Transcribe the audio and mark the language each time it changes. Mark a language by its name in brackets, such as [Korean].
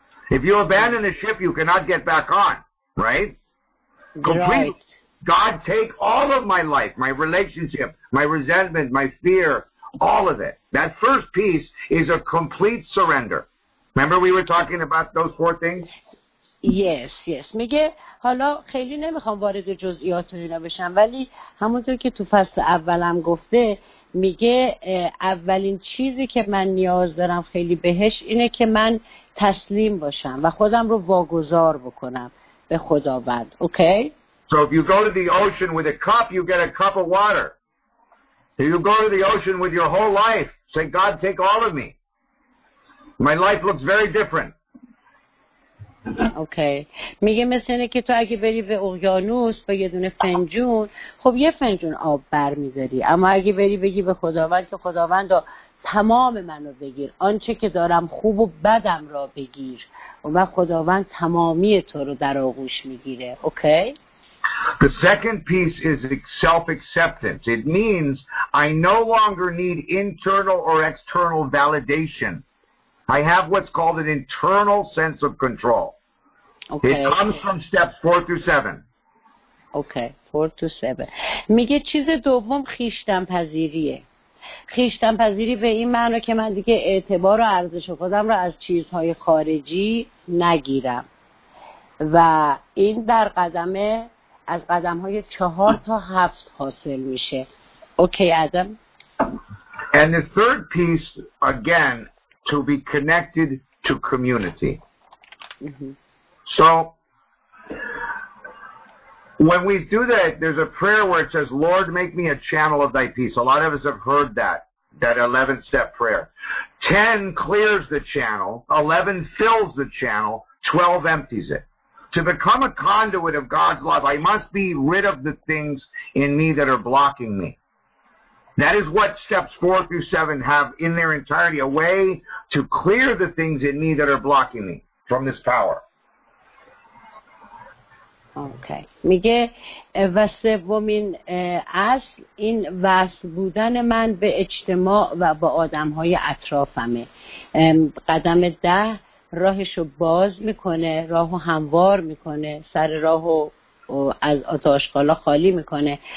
[English] If you abandon the ship, you cannot get back on, right? Complete. Right. God, take all of my life, my relationship, my resentment, my fear, all of it. That first piece is a complete surrender. Remember we were talking about those four things? Yes, yes. [Persian] میگه حالا خیلی نمیخوام وارد جزئیات اینا بشم، ولی همونطور که تو فصل اولم گفته، میگه اولین چیزی که من نیاز دارم خیلی بهش اینه که من تسلیم باشم و خودم رو واگذار بکنم به خداوند. اوکی؟ [English] So if you go to the ocean with a cup, you get a cup of water. If you go to the ocean with your whole life, say, God, take all of me. My life looks very different. [Persian] اوکی. میگه مثل اینه که تو اگه بری به اقیانوس با یه دونه فنجون، خب یه فنجون آب برمیداری، اما اگه بری بگی به خداوند که خداوند تمام منو بگیر، آنچه که دارم خوب و بدم را بگیر و من خداوند تمامی تو رو در آغوش میگیره. اوکی؟ [English] The second piece is self-acceptance. It means I no longer need internal or external validation. I have what's called an internal sense of control. Okay. It comes from steps 4-7. Okay, 4-7. [Persian] میگه چیز دوم خیشتن‌پذیریه. خیشتن‌پذیری به این معنی که من دیگه اعتبار و ارزش خودم رو از چیزهای خارجی نگیرم. و این در قدمه از قدم های 4-7 حاصل میشه. اوکی آدم. [English] And the third piece again, to be connected to community. So when we do that, there's a prayer where it says, Lord, make me a channel of thy peace. A lot of us have heard that 11-step prayer. 10 clears the channel, 11 fills the channel, 12 empties it. To become a conduit of God's love, I must be rid of the things in me that are blocking me. That is what steps 4-7 have in their entirety, a way to clear the things in me that are blocking me from this power. Okay. [Persian] میگه و سومین اصل این وصل بودن من به اجتماع و به آدم‌های اطرافمه. قدم 10 راهشو باز میکنه، راهو هموار میکنه، سر راهو از آتشکالا خالی میکنه.